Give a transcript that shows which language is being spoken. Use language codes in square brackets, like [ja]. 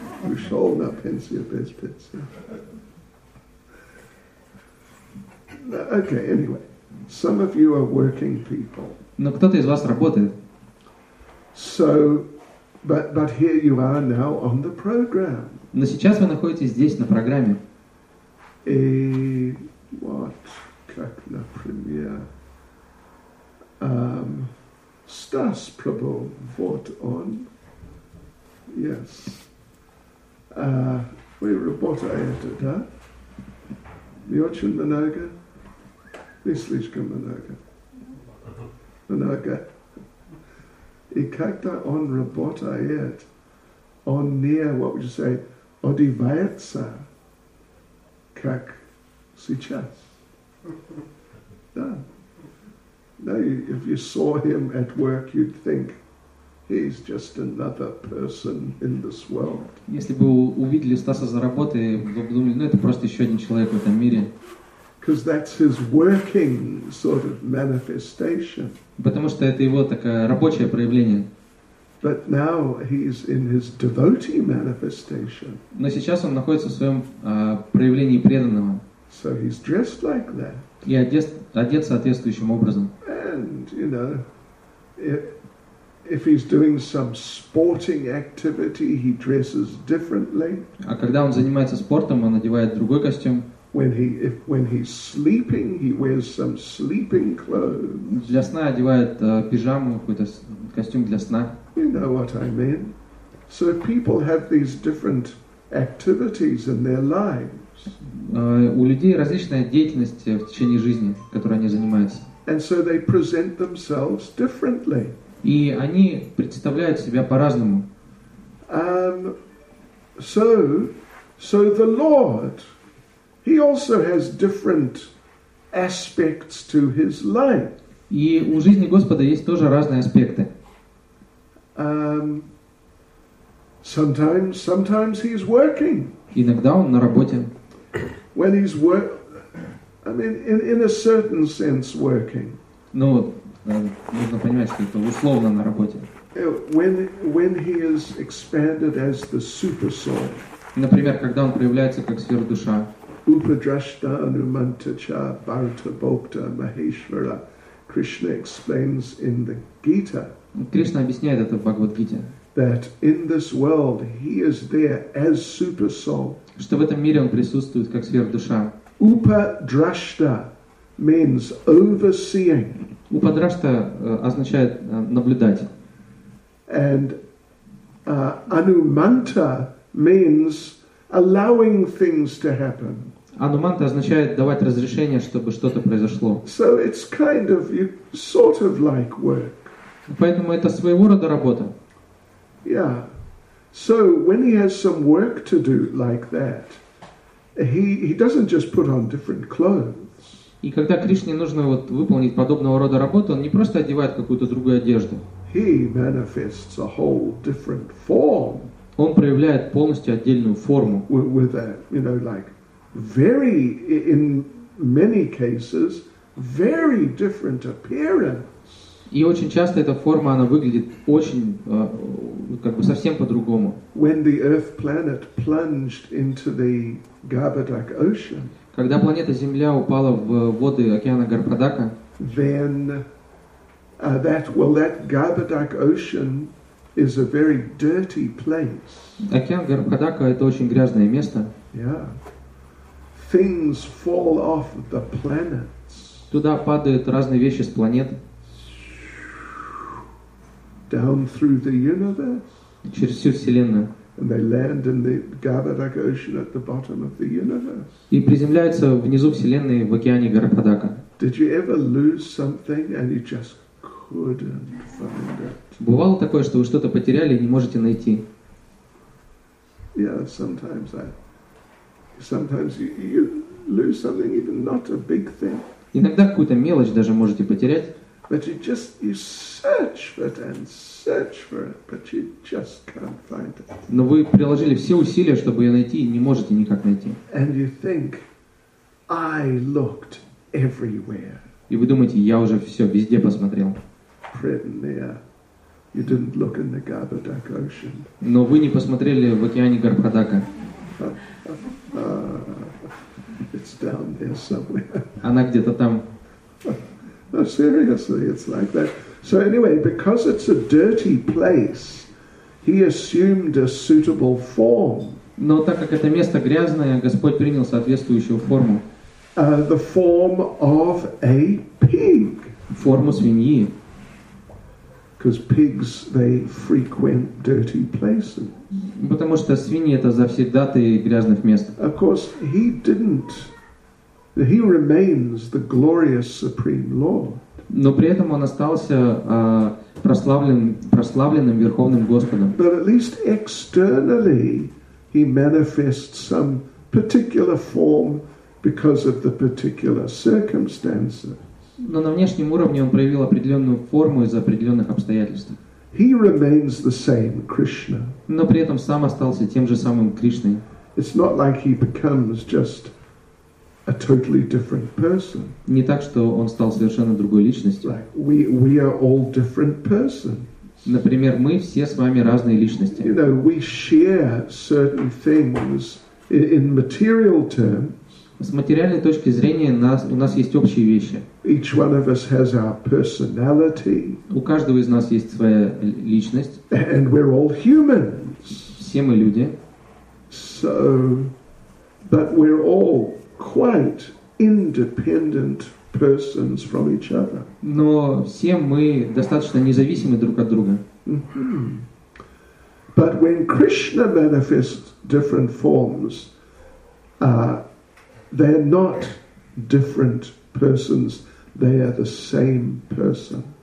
[ru] Ушел на пенсию без пенсия. [en] Okay, anyway. Some of you are working people. [ru] Но кто-то из вас работает. [en] So, but here you are now on the program. [ru] Но сейчас вы находитесь здесь, на программе. И вот, как, например, Стас Прабху, вот он. [en] Yes. [ru] Вы работаете, да? Не очень много? Не слишком много? Много. И когда он работает, он не, [en] what would you say, [ru] одевается, как сейчас. Да. [en] Now, if you saw him at work, you'd think he's just another person in this world. [ru] Если бы увидели Стаса за работой, вы бы думали, ну это просто еще один человек в этом мире. [en] Because that's his working sort of manifestation. [ru] Потому что это его такое рабочее проявление. [en] But now he's in his devotee manifestation. [ru] Но сейчас он находится в своем проявлении преданного. [en] So he's dressed like that. [ru] И одет соответствующим образом. [en] And you know, if he's doing some sporting activity, he dresses differently. [ru] А когда он занимается спортом, он одевает другой костюм. [en] When he's sleeping, he wears some sleeping clothes. [ru] Для сна одевает пижаму, какой-то костюм для сна. [en] You know what I mean? So people have these different activities in their lives. [ru] У людей различная деятельность в течение жизни, которой они занимаются. [en] And so they present themselves differently. [ru] И они представляют себя по-разному. [en] So the Lord, he also has different aspects to his life. [ru] И у жизни Господа есть тоже разные аспекты. [en] Sometimes he's working. [ru] Иногда он на работе. [en] When he's work, I mean, in a certain sense working. [ru] Ну, нужно понимать, что это условно на работе. [en] When he is expanded as the super soul. [ru] Например, когда он проявляется как сверхдуша. [sa] Upadrashta Anumantacha Bharata Bhokta Maheshvara. [en] Krishna explains in the Gita. [ru] Кришна объясняет это в Бхагавад-гите. [en] That in this world he is there as super soul. [ru] Что в этом мире он присутствует как сверхдуша. [en] Upadrashta means overseeing. [ru] Upadrashta означает наблюдать. [en] And anumanta means allowing things to happen. [ru] Anumanta означает давать разрешение, чтобы что-то произошло. [en] So it's kind of sort of like work. [ru] Поэтому это своего рода работа. [en] Yeah. So when he has some work to do like that, he doesn't just put on different clothes. [ru] И когда Кришне нужно вот выполнить подобного рода работу, он не просто одевает какую-то другую одежду. [en] He manifests a whole different form. [ru] Он проявляет полностью отдельную форму. [en] With a, you know, like very, in many cases, very different appearance. [ru] И очень часто эта форма, она выглядит очень, как бы совсем по-другому. [en] When the Earth planet plunged into the Garbhodak ocean, [ru] когда планета Земля упала в воды океана Гарбхадака, [en] then that Garbhodak ocean is a very dirty place. [ru] Океан Гарбхадака — это очень грязное место. [en] Yeah. Things fall off the planets. [ru] Туда падают разные вещи с планет. [en] Down through the universe. [ru] Через всю вселенную. [en] And they land in the Garbhodak ocean at the bottom of the universe. [ru] И приземляются внизу вселенной в океане Гарбхадака. [en] Did you ever lose something and you just couldn't find it? [ru] Бывало такое, что вы что-то потеряли и не можете найти? [en] Yeah, sometimes you lose something, even not a big thing. [ru] Иногда какую-то мелочь даже можете потерять. [en] But you search for it and search for it, but you just can't find it. [ru] Но вы приложили все усилия, чтобы ее найти, и не можете никак найти. [en] And you think, I looked everywhere. [ru] И вы думаете, я уже все везде посмотрел. [en] You didn't look in the Garbhodak ocean. [ru] Но вы не посмотрели в океане Гарбхадака. [en] It's down there somewhere. [ru] Она где-то там. [en] No, seriously, it's like that. So anyway, because it's a dirty place, he assumed a suitable form. [ru] Но так как это место грязное, Господь принял соответствующую форму. [en] The form of a pig. [ru] Форму свиньи. [en] Because pigs, they frequent dirty places. [ru] Потому что свиньи — это завсегдатаи грязных мест. [en] Of course, he didn't. He remains the glorious supreme lord. [ru] Но при этом он остался прославленным верховным господом. [en] But at least externally he manifests some particular form because of the particular circumstances. [ru] Но на внешнем уровне он проявил определенную форму из-за определенных обстоятельств. [en] He remains the same Krishna. [ru] Но при этом сам остался тем же самым Кришной. [en] It's not like he becomes just a totally different person. [ru] Не так, что он стал совершенно другой личностью. [en] Like we are all different persons. [ru] Например, мы все с вами разные личности. [en] You know, we share certain things in material terms. [ru] С материальной точки зрения у нас есть общие вещи. [en] Each one of us has our personality. [ru] У каждого из нас есть своя личность. [en] And we're all humans. [ru] Все мы люди. [en] So, but we're all quite independent persons from each other. [ru] Но все мы достаточно независимы друг от друга. Mm-hmm. [en] But when Krishna manifests different forms, they're not different persons, they are the same person.